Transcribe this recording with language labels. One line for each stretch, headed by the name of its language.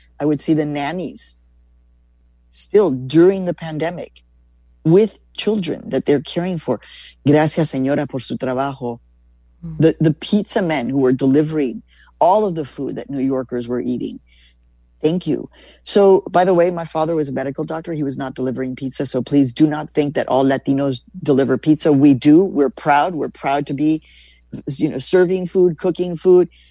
English: I would see the nannies still during the pandemic with children that they're caring for.
Spanish: Gracias, señora, por su trabajo.
English: The pizza men who were delivering all of the food that New Yorkers were eating. Thank you. So, by the way, my father was a medical doctor. He was not delivering pizza. So please do not think that all Latinos deliver pizza. We do. We're proud. We're proud to be, you know, serving food, cooking food.